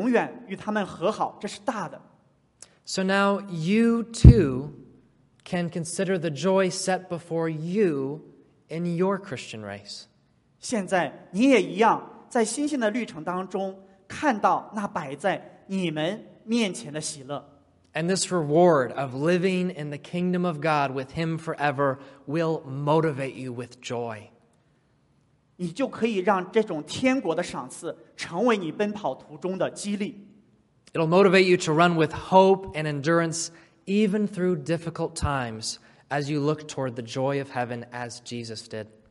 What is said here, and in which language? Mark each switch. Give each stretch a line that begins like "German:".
Chinese: 拯救他自己的百姓，脱去他们的罪，并且永远与他们和好，这是大的。
English: So now you too can consider the joy set before you in your Christian race.
Chinese: 现在你也一样，在新鲜的旅程当中看到那摆在你们面前的喜乐。
English: And this reward of living in the kingdom of God with him forever will motivate you with joy.
Chinese: 你就可以让这种天国的赏赐成为你奔跑途中的激励。
English: It'll motivate you to run with hope and endurance even through difficult times as you look toward the joy of heaven as Jesus did.